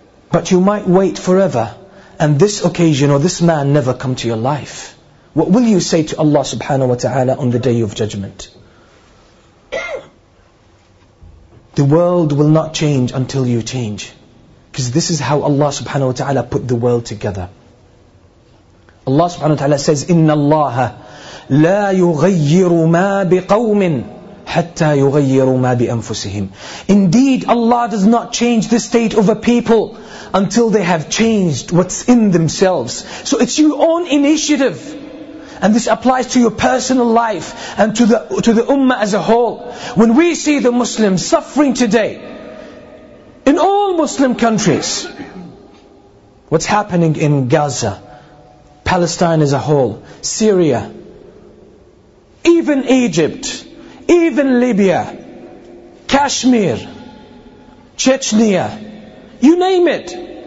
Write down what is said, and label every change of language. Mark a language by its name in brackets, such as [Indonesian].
[English] But you might wait forever, and this occasion or this man never come to your life. What will you say to Allah subhanahu wa ta'ala on the Day of Judgment? The world will not change until you change. Because this is how Allah subhanahu wa ta'ala put the world together. Allah subhanahu wa ta'ala says, [Arabic] إِنَّ اللَّهَ لَا يُغَيِّرُ مَا بِقَوْمٍ حَتَّى يُغَيِّرُ مَا بِأَنفُسِهِمْ. [English] Indeed, Allah does not change the state of a people until they have changed what's in themselves. So it's your own initiative. And this applies to your personal life and to the ummah as a whole. When we see the Muslims suffering today, in all Muslim countries, what's happening in Gaza, Palestine as a whole, Syria, even Egypt, even Libya, Kashmir, Chechnya, you name it.